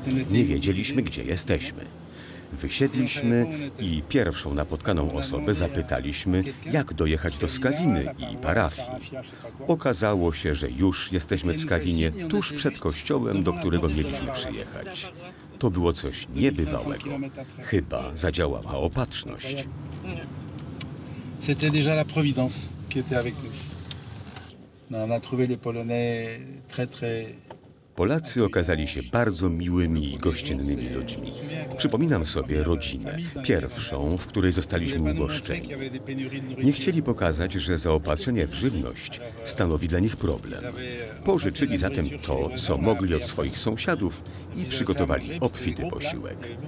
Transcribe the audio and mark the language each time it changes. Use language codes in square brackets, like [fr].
[pl] Nie wiedzieliśmy, gdzie jesteśmy. Wysiedliśmy i pierwszą napotkaną osobę zapytaliśmy, jak dojechać do Skawiny i parafii. Okazało się, że już jesteśmy w Skawinie, tuż przed kościołem, do którego mieliśmy przyjechać. To było coś niebywałego. Chyba zadziałała opatrzność. [fr] C'était déjà la providence qui était avec nous. On a trouvé les Polonais très très. [pl] Polacy okazali się bardzo miłymi i gościnnymi ludźmi. Przypominam sobie rodzinę, pierwszą, w której zostaliśmy ugoszczeni. Nie chcieli pokazać, że zaopatrzenie w żywność stanowi dla nich problem. Pożyczyli zatem to, co mogli od swoich sąsiadów i przygotowali obfity posiłek.